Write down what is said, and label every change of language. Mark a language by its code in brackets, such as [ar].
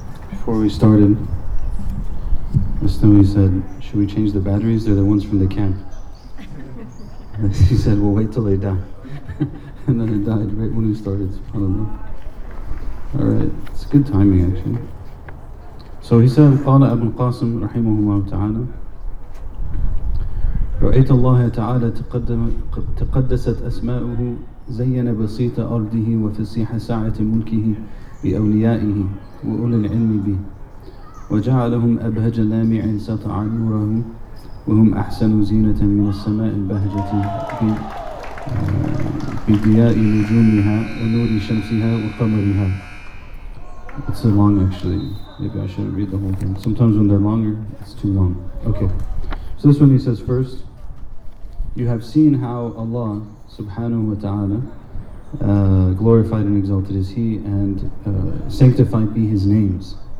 [en] Before we started, Mr. Lee said, should we change the batteries? They're the ones from the camp. He said, we'll wait till they die. And then it died right when we started, subhanAllah. Alright, it's good timing actually. So he said, [ar] قال أبو القاسم رحمه الله تعالى رأيت الله تعالى تقدست أسماؤه زين بسيط أرضه وفسيح ساعة ملكه بأوليائه وأولي العلم به وجعلهم أبهج لامع سطع نوره وهم أحسن زينة من السماء البهجة بضياء نجومها ونور شمسها وقمرها. [en] It's a long actually. Maybe I shouldn't read the whole thing. Sometimes when they're longer, it's too long. Okay. So this one he says first, you have seen how Allah subhanahu wa ta'ala, glorified and exalted is He, and sanctified be His names.